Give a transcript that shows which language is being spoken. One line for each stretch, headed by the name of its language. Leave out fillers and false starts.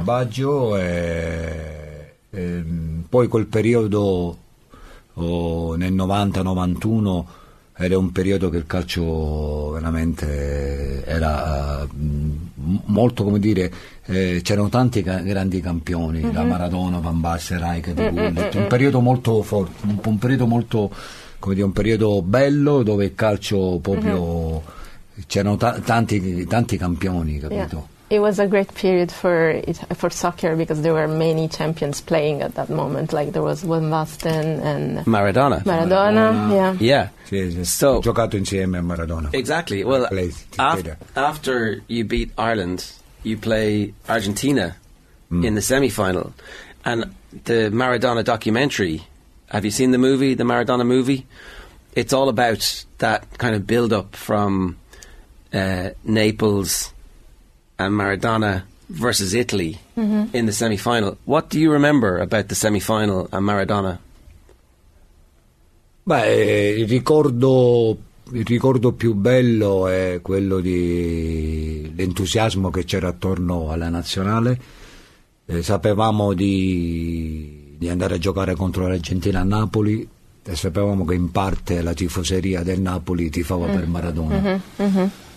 Italian: Baggio e poi quel periodo nel 90-91 era un periodo che il calcio veramente era molto, come dire, c'erano tanti grandi campioni, mm-hmm. da Maradona, Van Basten, Rijkaard, mm-hmm. un periodo molto forte, un periodo molto, come dire, un periodo bello dove il calcio proprio, mm-hmm. c'erano tanti campioni, capito?
English: Yeah. It was a great period for soccer because there were many champions playing at that moment. Like there was Van Basten and Maradona. Yeah.
Italian: So giocato insieme a Maradona.
English: Exactly. Well, after you beat Ireland, you play Argentina in the semi-final, and the Maradona documentary. Have you seen the movie, the Maradona movie? It's all about that kind of build-up from Naples and Maradona versus Italy, mm-hmm. in the semi-final. What do you remember about the semi-final and Maradona?
Italian: Beh, il ricordo più bello è quello di l'entusiasmo che c'era attorno alla nazionale. Sapevamo di andare a giocare contro l'Argentina a Napoli e sapevamo che in parte la tifoseria del Napoli tifava, mm-hmm. per Maradona. Mm-hmm.